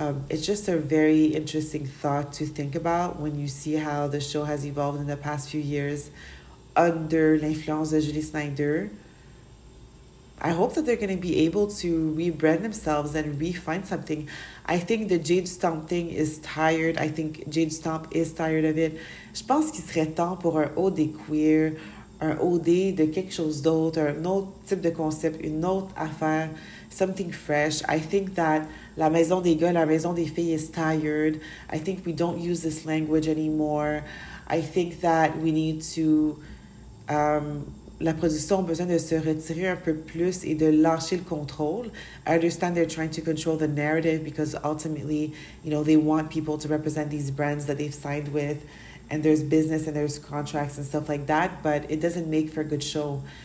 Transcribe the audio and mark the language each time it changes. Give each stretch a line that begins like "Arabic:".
English: It's just a very interesting thought to think about when you see how the show has evolved in the past few years under
French: l'influence de
English: Julie Snyder. I hope that they're going to be able to rebrand themselves and re-find something. I think the Jade Stomp thing is tired. I think Jade Stomp is tired of it.
French: Je pense qu'il serait temps pour un OD queer, un OD de quelque chose d'autre, un autre type de concept, une autre affaire,
English: something fresh. I think that
French: la maison des gars, la maison des filles
English: is tired. I think we don't use this language anymore. I think that we need to...
French: la production a besoin de se retirer un peu plus et de lâcher le contrôle.
English: I understand they're trying to control the narrative because ultimately, you know, they want people to represent these brands that they've signed with, and there's business and there's contracts and stuff like that, but it doesn't make for a good show.